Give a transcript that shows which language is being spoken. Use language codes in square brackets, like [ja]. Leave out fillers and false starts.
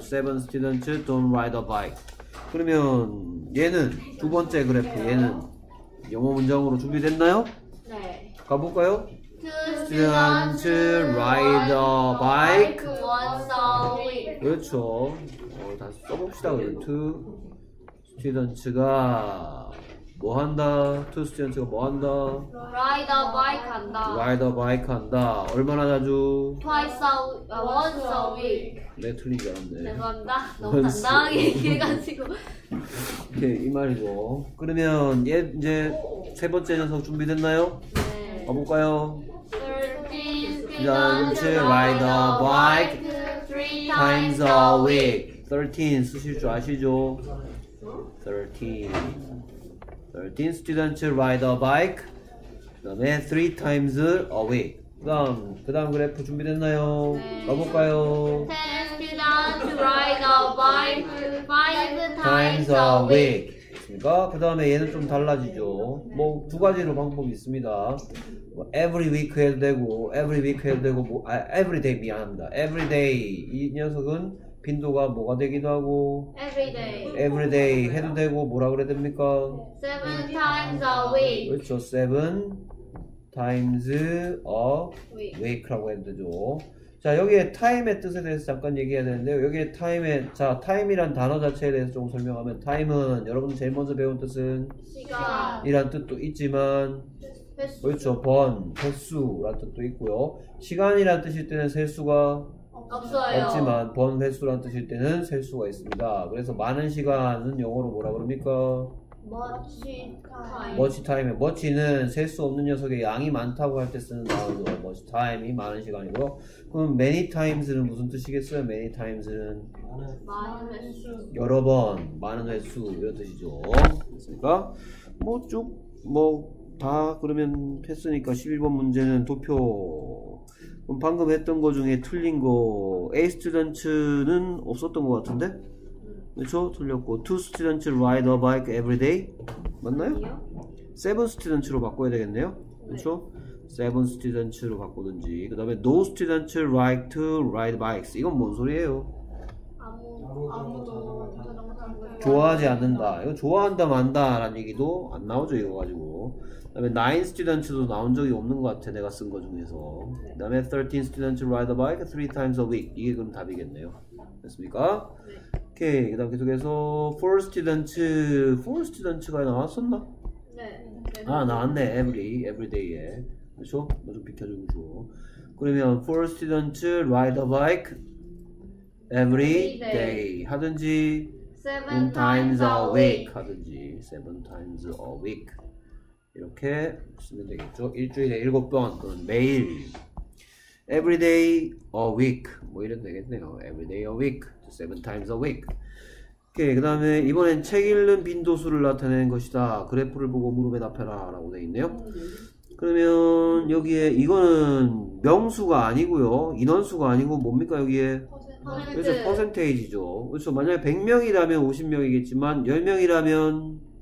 [en] 세븐 스튜던츠 don't ride a bike. [ko] 그러면 얘는 두 번째 그래프 얘는 영어 문장으로 준비됐나요? 네. 가볼까요? [en] Students ride a bike once a week. [ko] 그렇죠. 다시 써봅시다. Students가 뭐 한다? Students가 뭐 한다? [en] Ride a bike 한다. Ride a bike 한다. [ko] 얼마나 자주? [en] Once a week. [ko] 내가 틀린 줄 알았네. 죄송합니다. 너무 당당하게 얘기해가지고. 오케이, 이 말이고. 그러면 얘 이제 세 번째 녀석 준비됐나요? 네. 가볼까요? 13 [en] ride a bike 3 times a week. [ko] 13 쓰실 줄 아시죠? [en] 13 students ride a bike [ko] 그다음에 [en] 3 times a week. [ko] 그다음 그래프 준비됐나요? 네. 가볼까요? [en] 10 students ride a bike 5 times a week. [ko] 그다음에 얘는 좀 달라지죠. 뭐 두 가지로 방법이 있습니다. [en] Every week [ko] 해도 되고, [en] every week [ko] 해도 되고, 뭐, 아, [en] every day [ko] 미안합니다. [en] Every day [ko] 이 녀석은 빈도가 뭐가 되기도 하고, [en] every day [ko] 해도 되고, 뭐라 그래야 됩니까? [en] Seven times a week. [ko] 그렇죠. [en] Seven times a week [ko] 라고 해도 되죠. 자, 여기에 time의 뜻에 대해서 잠깐 얘기해야 되는데요. 여기에 time의, 자, time이란 단어 자체에 대해서 조금 설명하면, time은 여러분 제일 먼저 배운 뜻은 시간 이란 뜻도 있지만, 그렇죠. 번, 횟수라는 뜻도 있고요. 시간이라는 뜻일 때는 셀 수가 없어요. 없지만 번, 횟수라는 뜻일 때는 셀 수가 있습니다. 그래서 많은 시간은 영어로 뭐라 그럽니까? [en] Much time. Much time. [ko] Much는 셀 수 없는 녀석의 양이 많다고 할 때 쓰는 단어죠. Much time이 많은 시간이고요. 그럼 [en] many times [ko] 는 무슨 뜻이겠어요? [en] Many times는 [ko] 많은 횟수. 여러 번, 많은 횟수 이런 뜻이죠. 그렇습니까? 뭐 쭉 뭐 다 그러면 패스니까 11번 문제는 도표. 그럼 방금 했던 거 중에 틀린 거 A student는 없었던 거 같은데? 그렇죠? [en] 틀렸고 2 students ride a bike every day? 맞나요? 7 students로 [ko] 바꿔야 되겠네요. 그렇죠? seven students로 바꾸든지 그 다음에 [en] no student like to ride bikes [ko] 이건 뭔 소리예요? 아무도 좋아하지 않는다 이거 좋아한다 만다 라는 얘기도 안 나오죠 이거 가지고 그 다음에 nine students도 나온 적이 없는 것 같아 내가 쓴 거 중에서 그 다음에 [en] thirteen students ride a bike three times a week [ko] 이게 그럼 답이겠네요 됐습니까? 네. 오케이 그 다음 계속해서 four students four students가 나왔었나? 네. 아 나왔네 every, everyday에 그렇죠? 뭐 좀 비켜주고 그러면 [en] four students ride a bike every day 하든지 seven times a week [ko] 하든지 seven times a week 이렇게 쓰면 되겠죠 일주일에 일곱 번 또는 매일 [en] every day a week [ko] 뭐 이래도 되겠네요 every day a week seven times a week 오케이 그 다음에 이번엔 책 읽는 빈도수를 나타내는 것이다 그래프를 보고 물음에 답해라 라고 되어 있네요 그러면 여기에 이거는 명수가 아니고요 인원수가 아니고 뭡니까 여기에 그래서 퍼센테이지죠 그렇죠 만약에 100명이라면 50명이겠지만 10명이라면